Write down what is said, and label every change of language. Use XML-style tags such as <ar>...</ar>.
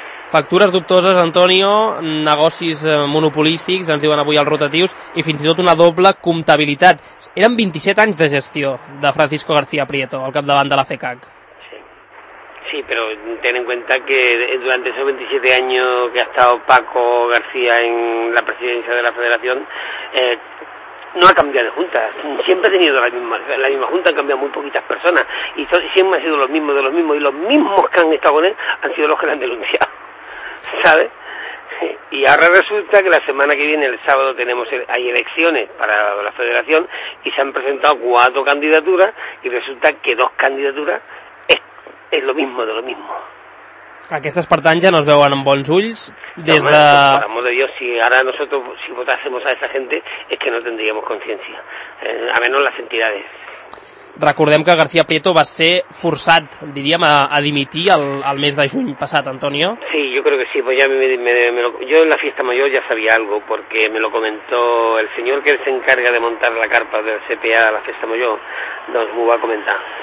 <ca>Factures dubtoses, Antonio, negocis monopolístics, ens diuen avui els rotatius, i fins i tot una doble comptabilitat. Eren 27 anys de gestió de Francisco García Prieto al capdavant de la FECAC.</ca> <es>Sí, pero ten en cuenta que durante esos 27 años que ha estado Paco García en la presidencia de la federación, no ha cambiado de junta. Siempre ha tenido la misma junta, han cambiado muy poquitas personas. Y siempre han sido los mismos, y los mismos que han estado con él han sido los que le han denunciado, ¿sabes? Y ahora resulta que la semana que viene, el sábado, hay elecciones para la federación y se han presentado 4 candidaturas y resulta que 2 candidaturas... És lo mismo de lo mismo.</es> <ca>Aquestes, per tant, ja no es veuen amb bons ulls des de...</ca> <es>Por amor de Dios, si ara nosotros si votásemos a esa gente es que no tendríamos conciencia, a menos las entidades.</es> <ca>Recordem que García Prieto va ser forçat, diríem, a dimitir el mes de juny passat, Antonio.</ca> <es>Sí, yo creo que sí, pues ya yo en la fiesta mayor ya sabía algo, porque me lo comentó el señor que se encarga de montar la carpa del CPA a la fiesta mayor, nos va a comentar.</es>